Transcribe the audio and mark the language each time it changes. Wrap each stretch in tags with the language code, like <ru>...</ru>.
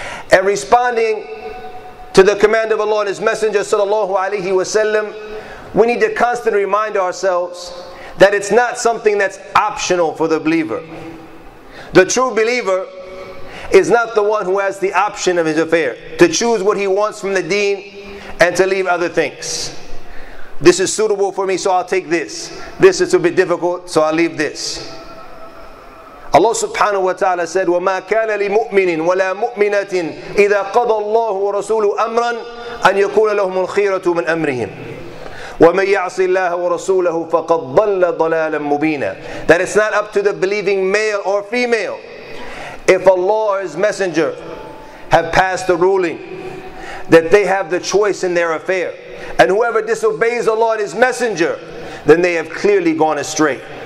<en>And responding to the command of Allah and His Messenger sallallahu alayhi wa sallam, we need to constantly remind ourselves that it's not something that's optional for the believer. The true believer is not the one who has the option of his affair, to choose what he wants from the deen and to leave other things. This is suitable for me, so I'll take this. This is a bit difficult, so I'll leave this. Allah subhanahu wa ta'ala said,</en> <ar>وَمَا كَانَ لِمُؤْمِنٍ وَلَا مُؤْمِنَةٍ إِذَا قَضَى اللَّهُ وَرَسُولُهُ أَمْرًا أَنْ يَكُونَ لَهُمُ الْخِيرَةُ مِنْ أَمْرِهِمْ وَمَنْ يَعْصِ اللَّهَ وَرَسُولَهُ فَقَدْ ضَلَّ ضَلَالًا مُبِينًا.</ar> <en>That it's not up to the believing male or female. If Allah or His Messenger have passed a ruling that they have the choice in their affair, and whoever disobeys Allah and His Messenger, then they have clearly gone astray.</en>